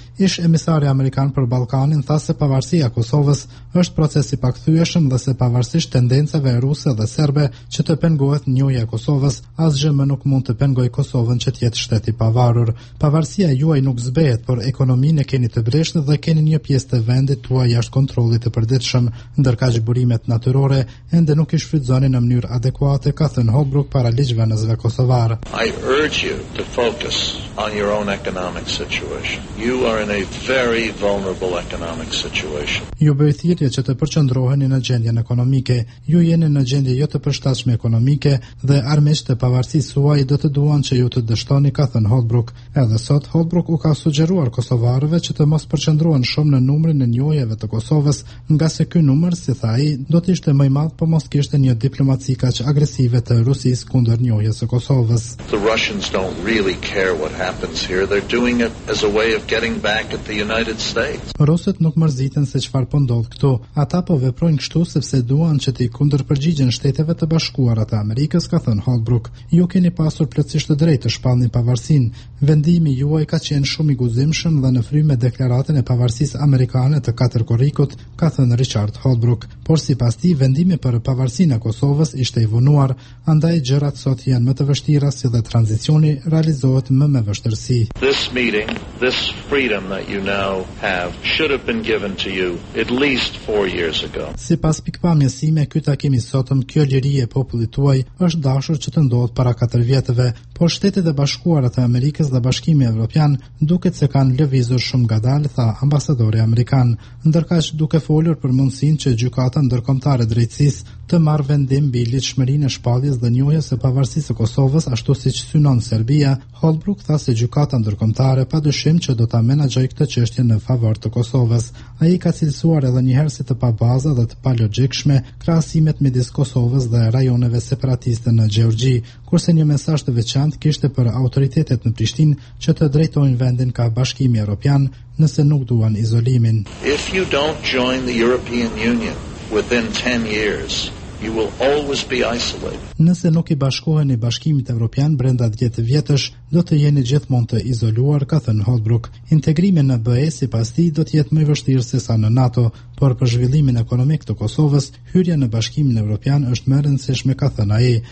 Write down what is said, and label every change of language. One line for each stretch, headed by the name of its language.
Albanian: Ish emisari amerikan për Ballkanin tha se pavarësia e Kosovës është proces i pakthyeshëm dhe se pavarësisht tendencave ruse dhe serbe që të pengohet njohja e Kosovës, asgjë më nuk mund të pengojë Kosovën që të jetë shteti pavarur. Pavarësia juaj nuk zbehet, por ekonominë keni të breshtë dhe keni një pjesë të vendit tuaj jashtë kontrollit të përditshëm. Ndërkaq burimet natyrore ende nuk i shfrytëzoni në mënyrë adekuate, ka thënë Holbrooke para ligjve në zve kosovar.
English: I urge you to focus on your own economic situation. You are in a very vulnerable economic situation.
Albanian: Ju bëj thirrje që të përqendroheni në gjendjen ekonomike. Ju jeni në gjendje jo të përshtatshme ekonomike dhe armiqtë e pavarësisë suaj do të duan që ju të dështoni, ka thënë Holbrooke. Edhe sot Holbrooke u ka sugjeruar kosovarëve që të mos përqendrohen shumë në numrin e njohjeve të Kosovës, nga se ky numër, si thaj, do të ishte më i madh po mos kishte një diplomaci kaq agresive të Rusisë kundër njohjes së Kosovës.
English: The Russians don't really care what happens here. They're doing it as a way of getting back at the United States.
Albanian: Rusët nuk mërziten se çfarë po ndodh këtu. Ata po veprojnë kështu sepse duan që të kundërpërgjigjen Shteteve të Bashkuara të Amerikës, ka thënë Holbrooke. Ju keni pasur plotësisht të drejtë të shpallni pavarësinë. Vendimi juaj ka qenë shumë i guximshëm dhe në frymë me deklaratën e pavarësisë amerikane të katër korrikut, ka thënë Richard Holbrooke, por sipas tij vendimi për pavarësinë e Kosovës ishte i vonuar, andaj gjërat sot janë më të vështira, si dhe tranzicioni realizohet më me vështirësi.
English: This meeting, this freedom that you now have should have been given to you at least 4 years ago.
Albanian: Sipas pikpamjes sime, ky takimi sotëm, kjo liri e popullit tuaj është dashur që të ndodhet para 4 vjetëve, por Shtetet e Bashkuara të Amerikës dhe Bashkimi Evropian duket se kanë lëvizur shumë ngadalë, tha ambasadori amerikan, ndërkaq duke folur për mundësinë që gjykata ndërkombëtare drejtësisë të marrë vendim mbi ligjshmërinë e shpalljes dhe njohjes së pavarësisë së Kosovës, ashtu siç synon Serbia. Holbrooke tha se gjykata ndërkombëtare padyshim që do ta menaxhojë këtë çështje në favor të Kosovës. Ai ka cilësuar edhe njëherë si të pabaza dhe të palogjikshme krahasimet midis Kosovës dhe rajoneve separatiste në Gjeorgji, kurse një mesazh të veçantë kishte për autoritetet në Prishtinë që të drejtojnë vendin ka Bashkimi Evropian nëse nuk duan izolimin.
English: If you don't join the European Union within 10 years, you will always be isolated.
Albanian: Nëse nuk i bashkoheni Bashkimit Evropian brenda 10 vjetësh, do të jeni gjithmonë të izoluar, ka thënë Holbrooke. Integrimi në BE sipas tij do të jetë më i vështirë se sa në NATO, por për zhvillimin ekonomik të Kosovës, hyrja në Bashkimin Evropian është më e rëndësishme, ka thënë ai.